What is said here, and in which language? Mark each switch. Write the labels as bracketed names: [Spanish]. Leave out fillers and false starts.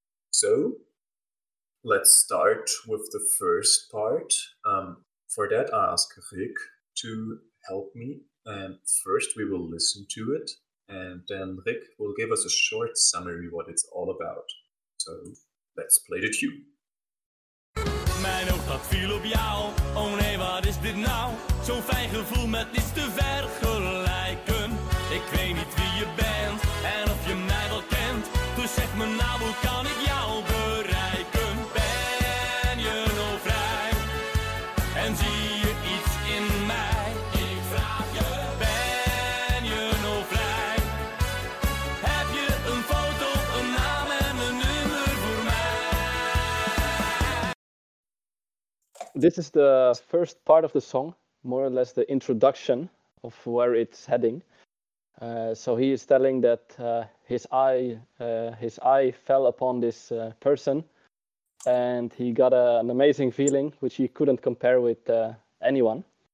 [English] So, let's start with the first part. For that, I ask Rick to help me. And first, we will listen to it. And then Rick will give us a short summary what it's all about. So, let's play the tune. [Dutch] Mijn oog gaat viel op jou, oh nee, wat is dit nou? Zo'n fijn gevoel met iets te vergelijken. Ik weet niet wie je bent en of je mij wel kent. Dus zeg me nou, hoe kan ik jou bereiken? Ben je nog vrij? En zie je iets in mij? Ik vraag je, ben je nog vrij? Heb je een foto, een naam en een nummer voor mij? [English] This is the first part of the song. More or less the introduction of where it's heading. So he is telling that his eye fell upon this person, and he got an amazing feeling which he couldn't compare with anyone.